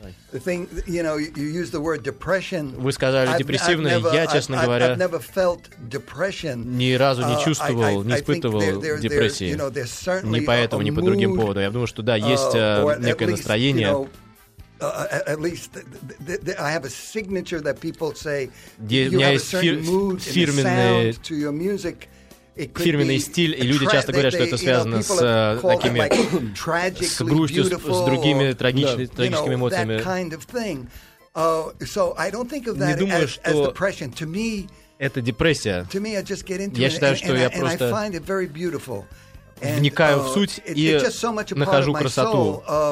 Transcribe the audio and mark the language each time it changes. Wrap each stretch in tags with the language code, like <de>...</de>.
<en>The thing, you know, you use the word depression.</en> <ru>Вы сказали депрессивный. Я, честно говоря, ни разу не чувствовал, не испытывал депрессии. Ни по этому, ни по другим поводам. Я думаю, что да, есть некое настроение.</ru> <en>At least I have a signature that people say.</en> <ru>Фирменный стиль, и люди часто говорят, что это связано с такими с грустью, с другими трагическими эмоциями. Не думаю, что это депрессия. Я считаю, что я просто вникаю в суть и нахожу красоту.</ru>